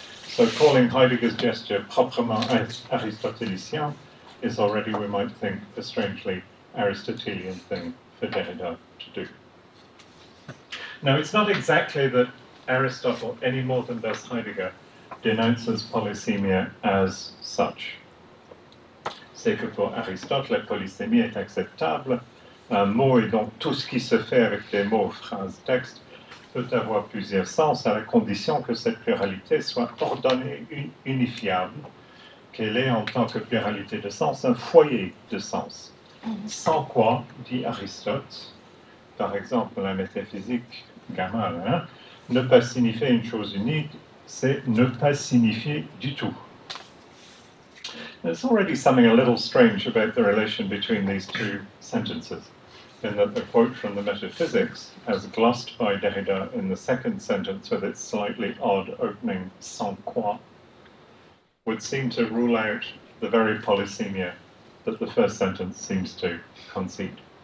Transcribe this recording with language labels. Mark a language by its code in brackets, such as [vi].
[en] So calling Heidegger's gesture [fr] proprement Aristotelicien [en] is already, we might think, a strangely Aristotelian thing for Derrida to do. Now, it's not exactly that Aristotle, any more than does Heidegger, denounces polysemia as such. [fr] C'est que pour Aristotle, la polysémie est acceptable. Un mot est donc tout ce qui se fait avec les mots, phrases, textes, peut avoir plusieurs sens à la condition que cette pluralité soit ordonnée, unifiable, qu'elle ait en tant que pluralité de sens un foyer de sens. Sans quoi, dit Aristote, par exemple la métaphysique gamma, hein, ne pas signifier une chose unique, c'est ne pas signifier du tout. [en] There's already something a little strange about the relation between these two sentences, in that the quote from the metaphysics, as glossed by Derrida in the second sentence with its slightly odd opening, [fr] sans quoi, [en] would seem to rule out the very polysemia that the first sentence seems to concede.